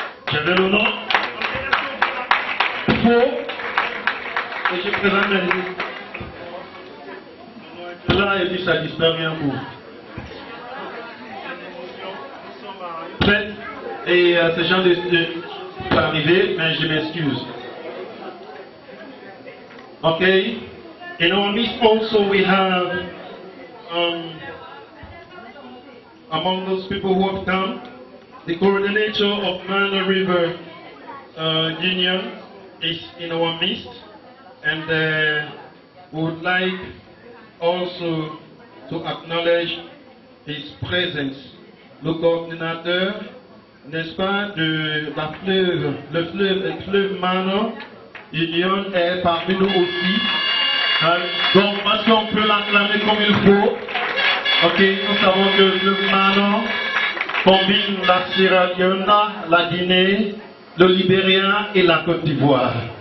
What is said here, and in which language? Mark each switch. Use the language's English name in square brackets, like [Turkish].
[French] J'avais le nom. Et je présente mes amis. Cela et puis ça disparaît un peu. Et ces gens ne sont pas arrivés, mais je m'excuse. Ok. [English] And on this also we have among those people who have come, the coordinator of Mana River Union is in our midst, and would like also to acknowledge his presence. [French] Le coordinateur, n'est-ce pas, de la fleuve, le fleuve Mano Union est parmi nous aussi. Donc, parce qu'on peut l'acclamer comme il faut. Ok, nous savons que le fleuve Mano combine la Sierra Leone, la Guinée, le Libéria et la Côte d'Ivoire.